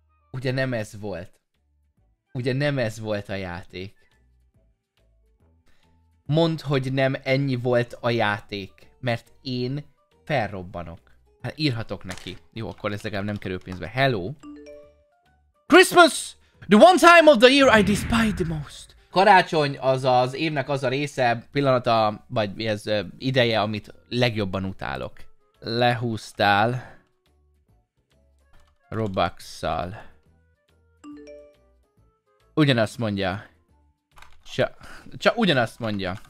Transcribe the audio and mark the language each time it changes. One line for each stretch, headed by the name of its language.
Hungarian: Ugye nem ez volt. Ugye nem ez volt a játék. Mondd, hogy nem ennyi volt a játék. Mert én felrobbanok. Hát írhatok neki. Jó, akkor ez legalább nem kerül pénzbe.
English: Hello. Christmas! The one time of the year I despise the most.
Hungarian: Karácsony az az évnek az a része, pillanata, vagy ez ideje, amit legjobban utálok. Lehúztál. Robuxszal. Ugyanazt mondja. Csak ugyanazt mondja.